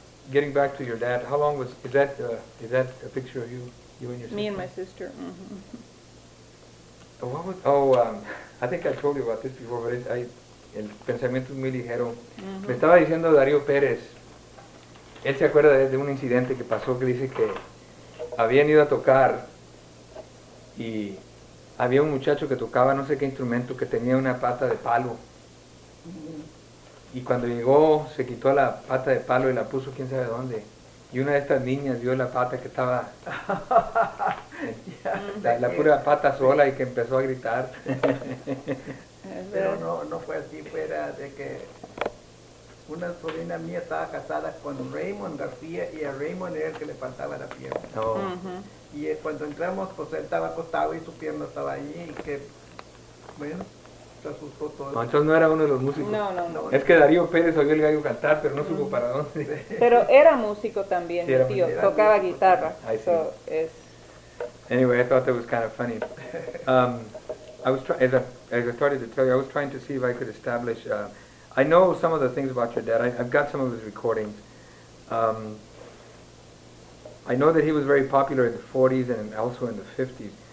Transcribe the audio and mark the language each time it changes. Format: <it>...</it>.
<en>Getting back to your dad, how long was, is that a picture of you, you and your sister? Me and my sister. What was, I think I told you about this before, but</en> <es>el pensamiento me ligero. Me estaba diciendo Darío Pérez, él se acuerda de un incidente que pasó, que dice que habían ido a tocar y había un muchacho que tocaba no sé qué instrumento que tenía una pata de palo. Y cuando llegó, se quitó la pata de palo y la puso quién sabe dónde. Y una de estas niñas vio la pata que estaba... la pura pata sola y que empezó a gritar. Pero no fue así, fuera de que... Una sobrina mía estaba casada con Raymond García y a Raymond era el que le faltaba la pierna. Y cuando entramos, pues él estaba acostado y su pierna estaba allí y que... Bueno... No, entonces no era uno de los músicos. No. Es que Darío Pérez oyó el gallo cantar, pero no supo para dónde. Pero era músico también, sí, era tío. Era tocaba músico, guitarra.</es> <en>I see. So, anyway, I thought that was kind of funny. As I started to tell you, I was trying to see if I could establish... I know some of the things about your dad. I've got some of his recordings. I know that he was very popular in the 40s and also in the 50s.</en>